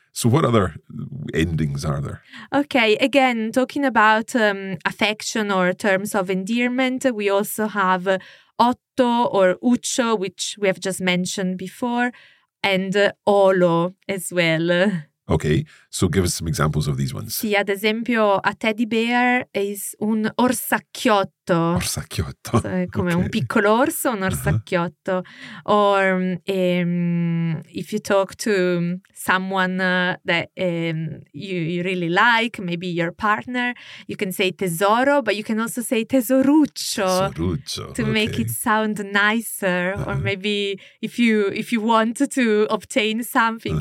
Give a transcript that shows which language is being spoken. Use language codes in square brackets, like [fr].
[en] So what other endings are there? Okay, again, talking about affection or terms of endearment, we also have otto or uccio, which we have just mentioned before, and olo as well. Okay, so give us some examples of these ones. [it] Sì, ad esempio, [en] a teddy bear is un orsacchiotto. [it] Orsacchiotto. So, come okay. Un piccolo orso, un orsacchiotto. Uh-huh. [en] Or if you talk to someone that you really like, maybe your partner, you can say tesoro, but you can also say tesoruccio. [it] Tesoruccio, [en] to okay. Make it sound nicer. Uh-huh. Or maybe if you want to obtain something, uh-huh.